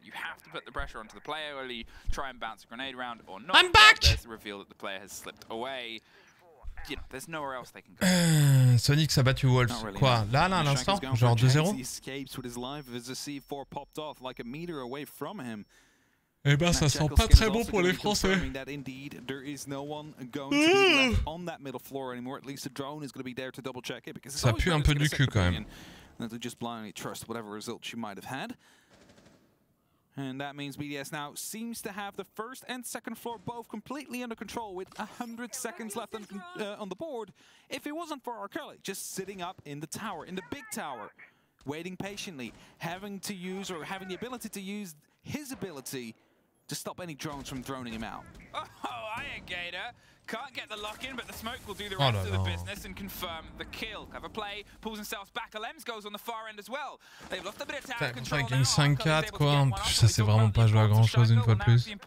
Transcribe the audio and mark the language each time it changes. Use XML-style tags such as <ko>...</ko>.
<en>You have to put the pressure onto the player, or you try and bounce a grenade around or not. I'm back! There's the reveal that the player has slipped away. You know, there's nowhere else they can go.</en> <fr>Sonic s'est battu Wolves. Really quoi? Là, là, à l'instant? Genre 2-0?</fr> <en>He escapes with his life as the C4 popped off like a meter away from him.</en> <fr>Eh ben, ça sent pas très bon pour les Français.</fr> <en>Indeed, there is no one going to be left on that middle floor anymore. At least a drone is going to be there to double check it because it's always going to be a second opinion. And they'll just blindly trust whatever results you might have had. And that means BDS now seems to have the first and second floor both completely under control with 100 seconds left on the board. If it wasn't for R. Kelly just sitting up in the tower, in the big tower, waiting patiently, having to use or having the ability to use his ability to stop any drones from droning him out. Oh, Iron Gator can't get the lock in, but the smoke will do the rest of the business and confirm the kill. Clever play, pulls himself back. Alems goes on the far end as well. They've lost a bit of tower control. Taking 5-4, quoi.</en> <fr>Ça, c'est vraiment pas jouer à grand chose une fois plus.</fr>